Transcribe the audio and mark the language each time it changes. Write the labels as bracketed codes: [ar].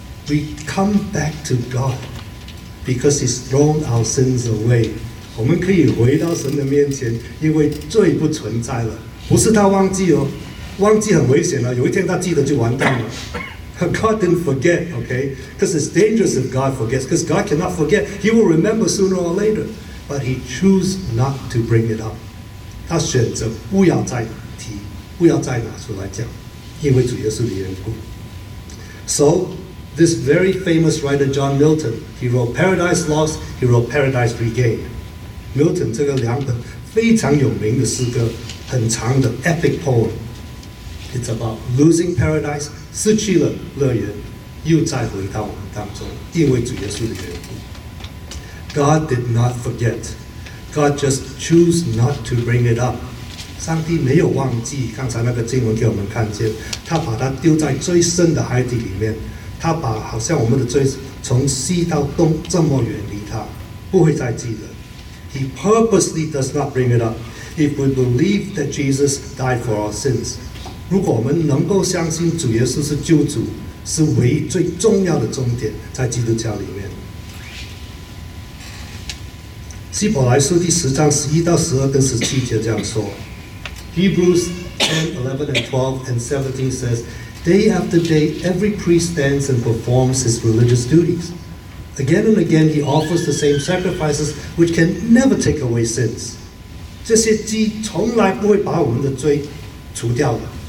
[en] We come back to God because He's thrown our sins away. [zh] 我们可以回到神的面前，因为罪不存在了。不是他忘记哦，忘记很危险了。有一天他记得就完蛋了。 [en] God didn't forget, okay? Because it's dangerous if God forgets. Because God cannot forget, He will remember sooner or later. But He chose not to bring it up. [zh] 他选择不要再提，不要再拿出来讲，因为主耶稣的缘故。 [en] So. This very famous writer John Milton, he wrote Paradise Lost, he wrote Paradise Regained. [zh] Milton 这个两本非常有名的诗歌，很长的 [en] epic poem. It's about losing paradise, [zh] 失去了乐园，又再回到我们当中，因为主耶稣的缘故。 [en] God did not forget. God just chose not to bring it up. [zh] 上帝没有忘记，刚才那个经文给我们看见，他把它丢在最深的海底里面。他把好像我们的罪从西到东这么远离他，不会再记得。 [en] He purposely does not bring it up. If we believe that Jesus died for our sins, [zh] 如果我们能够相信主耶稣是救主，是唯一最重要的重点在基督教里面。希伯来书第十章十一到十二跟十七节这样说。 [en] Hebrews 10:11-12 and 17 says. Day after day, every priest stands and performs his religious duties. Again and again, he offers the same sacrifices, which can never take away sins. [zh] 这些祭从来不会把我们的罪除掉的。